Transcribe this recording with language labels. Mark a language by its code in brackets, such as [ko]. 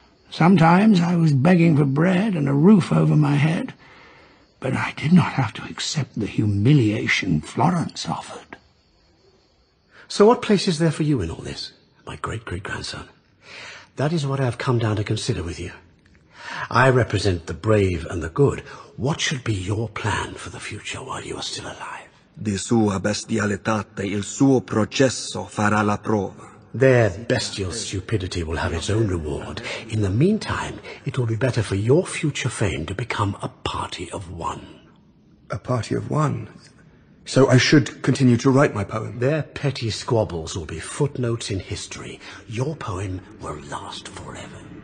[en] Sometimes I was begging for bread and a roof over my head, but I did not have to accept the humiliation Florence offered. So what place is there for you in all this, my great-great-grandson? That is what I have come down to consider with you. I represent the brave and the good. What should be your plan for the future while you are still alive? [it] Di sua bestialitate il suo processo farà la prova. [en] Their bestial stupidity will have its own reward. In the meantime, it will be better for your future fame to become a party of one. A party of one? So I should continue to write my poem? Their petty squabbles will be footnotes in history. Your poem will last forever.